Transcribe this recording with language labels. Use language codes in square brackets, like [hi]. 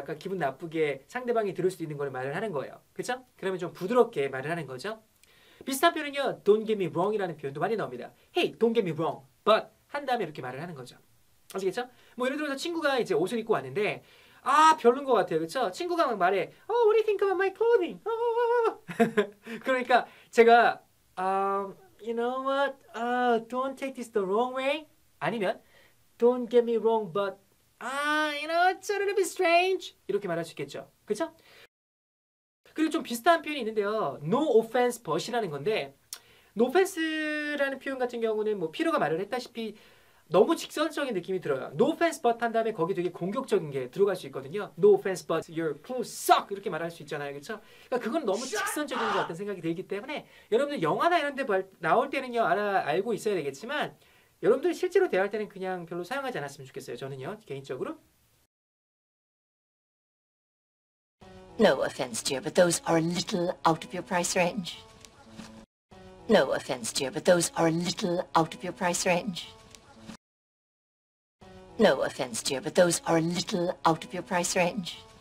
[ko] 약간 기분 나쁘게 상대방이 들을 수도 있는 걸 말을 하는 거예요. 그쵸? 그러면 좀 부드럽게 말을 하는 거죠. 비슷한 표현은요. Don't get me wrong이라는 표현도 많이 나옵니다. [en] Hey, don't get me wrong, but [ko] 한 다음에 이렇게 말을 하는 거죠. 아시겠죠? 뭐 예를 들어서 친구가 이제 옷을 입고 왔는데 아, 별론 것 같아요. 그쵸? 친구가 막 말해 [en] Oh, what do you think about my clothing? Oh. [ko] 그러니까 제가 [en] you know what? Don't take this the wrong way. 아니면 Don't get me wrong, but you know, it's a little bit strange. [ko] 이렇게 말할 수 있겠죠. 그쵸? 그리고 좀 비슷한 표현이 있는데요. No offense, but이라는 건데 No offense라는 표현 같은 경우는 뭐 피로가 말을 했다시피 너무 직선적인 느낌이 들어요. No offense, but 한 다음에 거기 되게 공격적인 게 들어갈 수 있거든요. [en] No offense, but your clothes suck! [ko] 이렇게 말할 수 있잖아요. 그쵸? 그러니까 그건 너무 직선적인 것 같은 생각이 들기 때문에 여러분들 영화나 이런 데 나올 때는요. 알고 있어야 되겠지만 여러분들 실제로 대화할 때는 그냥 별로 사용하지 않았으면 좋겠어요. 저는요. 개인적으로. [en] No offense, dear, but those are a little out of your price range. No offense, dear, but those are a little out of your price range. No offense, dear, but those are a little out of your price range.